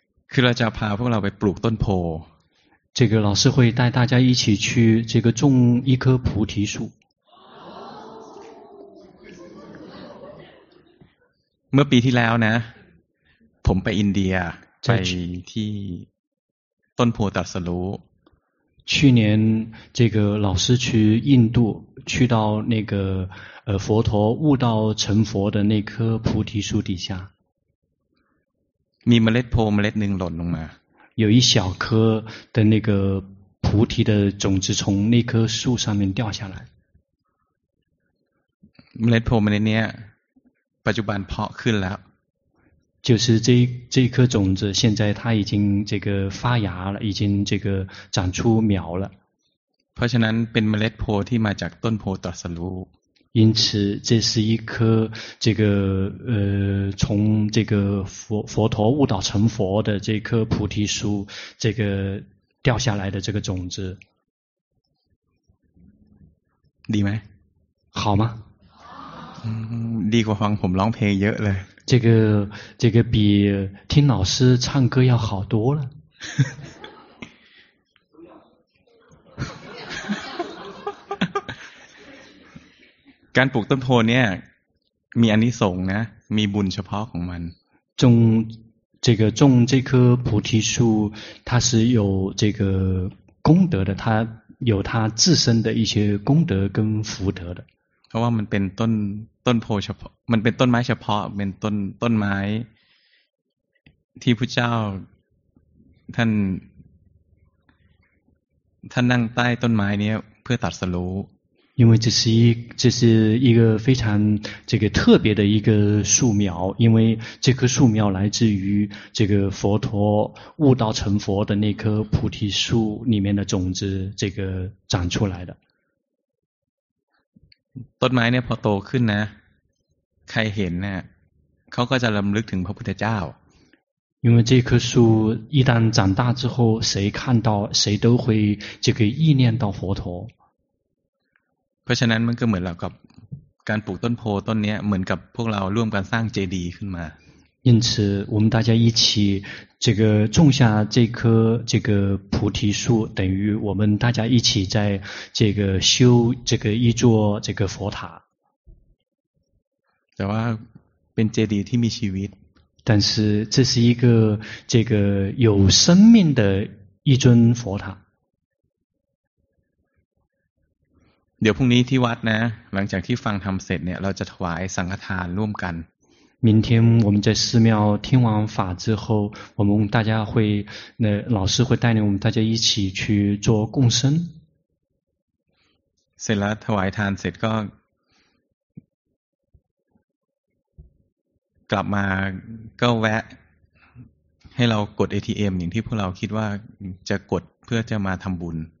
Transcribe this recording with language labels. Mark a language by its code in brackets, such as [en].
[th] คือเราจะพาพวกเราไปปลูกต้นโพ [zh] 这个老师会带大家一起去这个种一棵菩提树 [th] เมื่อปีที่แล้วนะผมไปอินเดียไปที่ต้นโพตัสรู้ [zh] 去年这个老师去印度去到那个佛陀悟道成佛的那棵菩提树底下 [th] มีเมล็ดโพเมล็ดหนึ่งหล่นลงมา [zh] 有一小颗的那个菩提的种子从那棵树上面掉下来 [th] เมล็ดโพเมล็ดนี้ปัจจุบันเพาะขึ้นแล้ว [zh] 就是这颗种子现在它已经这个发芽了已经这个长出苗了 [th] เพราะฉะนั้นเป็นเมล็ดโพที่มาจากต้นโพตรัสรู้ [zh] 因此这是一颗这个从这个佛陀悟道成佛的这棵菩提树这个掉下来的这个种子。你们好吗你过黄红狼陪也来。这个比听老师唱歌要好多了。 [th] การปลูกต้นโพเนี่ยมีอานิสงส์นะมีบุญเฉพาะของมัน [zh] จง这个种这棵菩提树它是有这个功德的它有它自身的一些功德跟福德的 [th] เพราะว่ามันเป็นต้นโพเฉพาะมันเป็นต้นไม้เฉพาะเป็นต้นไม้ที่พระเจ้าท่านนั่งใต้ต้นไม้เนี้ยเพื่อตรัสรู้ [zh] 因为这是一个非常这个特别的一个树苗，因为这棵树苗来自于这个佛陀悟道成佛的那棵菩提树里面的种子，这个长出来的。 [th] ต้นไม้เนี่ยพอโตขึ้นนะใครเห็นเนี่ยเขาก็จะรำลึกถึงพระพุทธเจ้า [zh] 因为这棵树一旦长大之后，谁看到谁都会这个意念到佛陀。 [th] เพราะฉะนั้นมันก็เหมือนเรากับการปลูกต้นโพต้นนี้เหมือนกับพวกเราร่วมกันสร้างเจดีย์ขึ้นมา [zh] 因此我们大家一起这个种下这棵这个菩提树等于我们大家一起在这个修这个一座这个佛塔 [th] แต่ว่าเป็นเจดีย์ที่มีชีวิต [zh] 但是这是一个这个有生命的一尊佛塔 [th] เดี๋ยวพรุ่งนี้ที่วัดนะหลังจากที่ฟังธรรมเสร็จเนี่ยเราจะถวายสังฆทานร่วมกัน [zh] 明天我们在寺庙听完法之后我们大家会那老师会带领我们大家一起去做共生 [th] เสร็จแล้วถวายทานเสร็จก็กลับมาก็แวะให้เรากด ATM อย่างที่พวกเราคิดว่าจะกดเพื่อจะมาทำบุญ